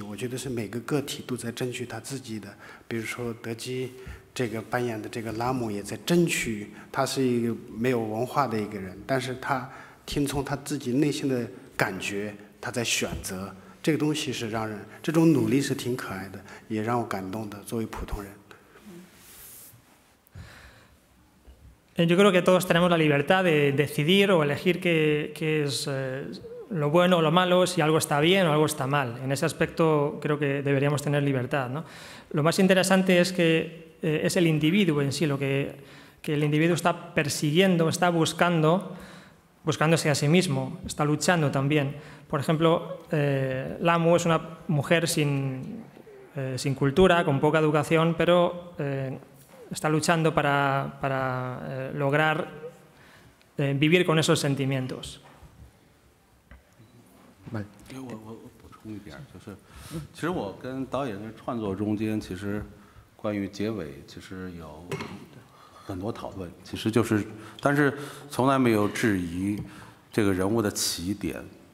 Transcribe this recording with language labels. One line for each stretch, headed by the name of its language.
Chinese: 我觉得是每个个体都在争取他自己的，比如说德基这个扮演的这个拉姆也在争取，他是一个没有文化的一个人，但是他听从他自己内心的感觉，他在选择。这个东西是让人，这种努力是挺可爱的，也让我感动的。作为普通人
Spanish: ，Yo creo que todos tenemos la libertad de decidir o elegir qué es lo bueno o lo malo, si algo está bien o algo está mal. En ese aspecto creo que deberíamos tener libertad, ¿no? Lo más interesante es que es el individuo en sí, lo que el individuo está persiguiendo, está buscando. Buscándose a sí mismo, está luchando también. Por ejemplo, Lamu es una mujer sin cultura, con poca educación, pero está luchando para lograr vivir con esos sentimientos. Vale.
Chinese: Yo, 我补充一点，就是，其实我跟导演的创作中间，其实关于结尾，其实有。很多讨论，其实就是，但是从来没有质疑这个人物的起点。